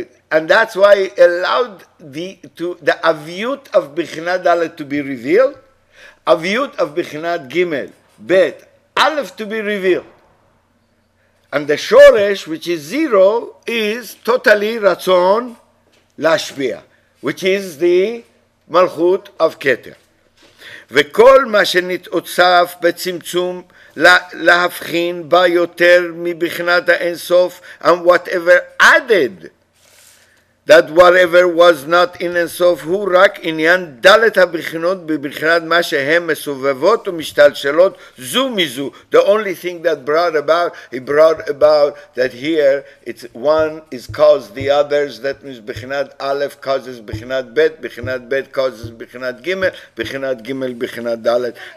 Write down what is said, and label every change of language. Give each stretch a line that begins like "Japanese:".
English: And that's why he allowed the Aviyut of Bichinat Dalet to be revealed, Aviyut of Bichinat Gimel, Bet, Aleph to be revealed. And the Shoresh, which is zero, is totally Ratzon Lashpia, which is the Malchut of Keter.
Hebrew: וכל מה שנתעוצף בצמצום להבחין בה יותר מבחינת האינסוף, and whatever added, that whatever was not in אינסוף, הוא רק עניין דלת הבחינות בבחינת מה שהן מסובבות ומשתלשלות זו מזו.
English: The only thing that brought about that here, it's one is caused the others, that means בחינת א' causes בחינת ב', בחינת ב' causes בחינת ג', בחינת ג', בחינת ד'.